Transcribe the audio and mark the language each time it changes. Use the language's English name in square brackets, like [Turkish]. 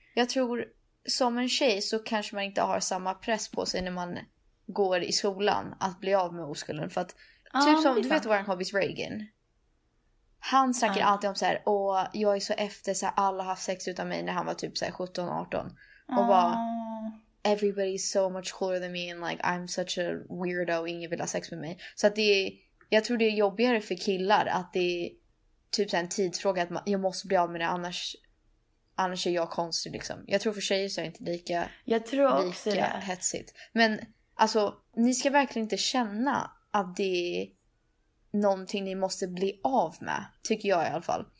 [Swedish] Jag tror som en tjej så kanske man inte har samma press på sig när man går i skolan att bli av med oskulden. För att typ som... Du vet vad han hobbies Reagan. Han snackar alltid om så här. Och jag är så efter så här, alla har haft sex utan mig när han var typ så här 17-18. Och bara... [English] Everybody's so much cooler than me and like I'm such a weirdo. [Swedish] Ingen vill ha sex med mig. Så att det är... Jag tror det är jobbigare för killar att det är typ en tidsfråga att jag måste bli av med det, annars är jag konstig liksom. Jag tror för tjejer så är det inte lika, jag tror också lika hetsigt. Men alltså, ni ska verkligen inte känna att det är någonting ni måste bli av med, tycker jag i alla fall.